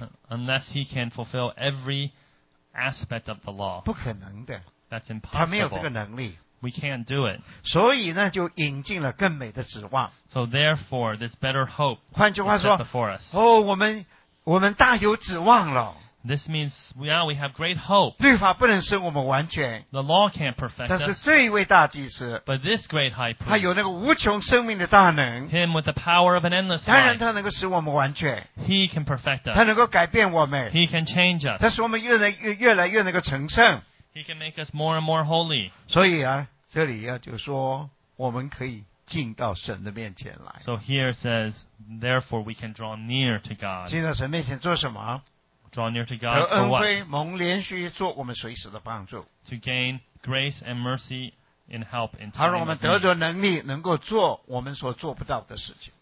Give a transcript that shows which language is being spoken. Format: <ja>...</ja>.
<en>unless he can fulfill every aspect of the law.</en> <zh>不可能的,</zh> <en>that's impossible.</en> <zh>他没有这个能力,</zh> <en>We can't do it.</en> <zh>所以呢，就引进了更美的指望。</zh> <en>So therefore, this better hope.</en> <zh>换句话说，哦，我们大有指望了。</zh> <en>This means now we have great hope.</en> <zh>律法不能使我们完全。</zh> <en>The law can't perfect us.</en> <zh>但是这一位大祭司。</zh> <en>But this great high priest.</en> <zh>他有那个无穷生命的大能。</zh> <en>Him with the power of an endless life.</en> <zh>当然他能够使我们完全。</zh> <en>He can perfect us.</en> <zh>他能够改变我们。</zh> <en>He can change us.</en> <zh>他使我们越来越能够成圣。</zh> <en>He can make us more and more holy.</en> <zh>所以啊，这里啊就说我们可以进到神的面前来。</zh> <en>So here it says, therefore we can draw near to God.</en> <zh>进到神面前做什么？</zh> <en>Draw near to God for what?</en> <zh>得恩惠，蒙连续做我们随时的帮助。</zh> <en>To gain grace and mercy and help in time.</en> <zh>他让我们得着能力，能够做我们所做不到的事情。</zh>